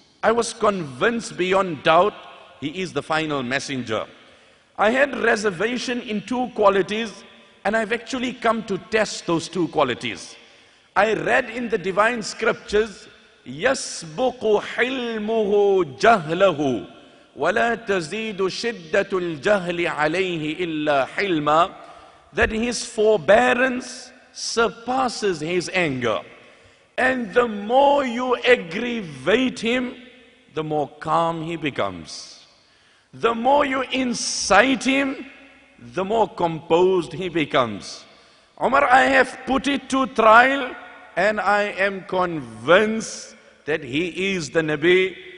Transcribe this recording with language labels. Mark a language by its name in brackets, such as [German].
[English] I was convinced beyond doubt he is the final messenger. I had reservation in two qualities, and I've actually come to test those two qualities. I read in the divine scriptures, [Arabic] يَسْبُقُ حِلْمُهُ جَهْلَهُ ولا تزيد شدة الجهل عليه إلا حلما, [English] that his forbearance surpasses his anger. And the more you aggravate him, the more calm he becomes. The more you incite him, the more composed he becomes. Umar, I have put it to trial, and I am convinced that he is the Nabi.